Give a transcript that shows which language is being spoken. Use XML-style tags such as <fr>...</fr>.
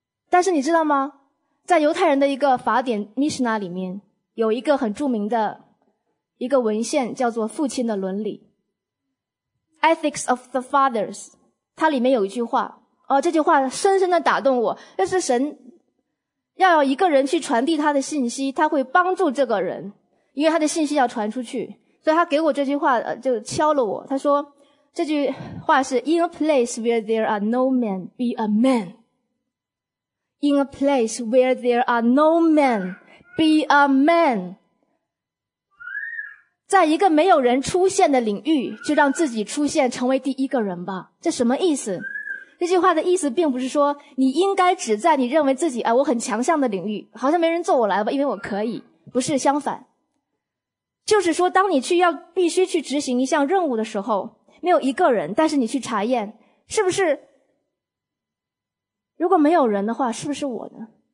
<zh>但是你知道吗，在犹太人的一个法典 Mishnah 里面有一个很著名的一个文献叫做父亲的伦理</zh> <en>Ethics of the Fathers，</en> <zh>它里面有一句话，这句话深深的打动我，这是神要一个人去传递他的信息，他会帮助这个人，因为他的信息要传出去，所以他给我这句话就敲了我，他说这句话是</zh> <en>In a place where there are no men, be a man. In a place where there are no men, be a man.</en> <zh>在一个没有人出现的领域，就让自己出现，成为第一个人吧。这什么意思？这句话的意思并不是说你应该只在你认为自己我很强项的领域，好像没人揍我来吧，因为我可以。不是，相反，就是说当你去要必须去执行一项任务的时候，没有一个人，但是你去查验，是不是如果没有人的话，是不是我呢？</zh>